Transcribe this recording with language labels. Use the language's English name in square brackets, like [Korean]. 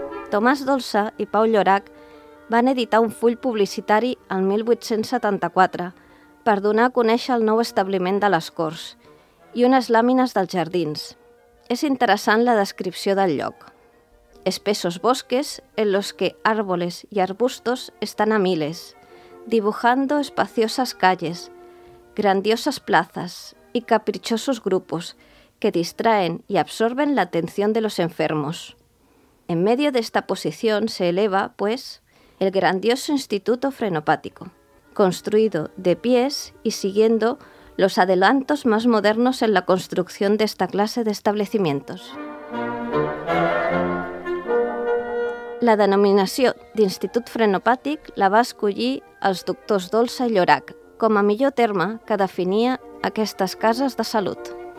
[Catalan] Tomàs Dolça i Pau Llorac van editar un full publicitari el 1874 per donar a conèixer el nou establiment de les Corts i unes làmines dels jardins. És interessant la descripció del lloc. [Spanish] Espesos bosques en los que árboles y arbustos están a miles, dibujando espaciosas calles, grandiosas plazas y caprichosos grupos que distraen y absorben la atención de los enfermos. En medio de esta posición se eleva, pues, el grandioso Instituto Frenopático, construido de pies y siguiendo los adelantos más modernos en la construcción de esta clase de establecimientos. [Catalan] La denominació d'Institut Frenopàtic la va escollir els doctors Dolça i Llorac com a millor terme que definia aquestes cases de salut.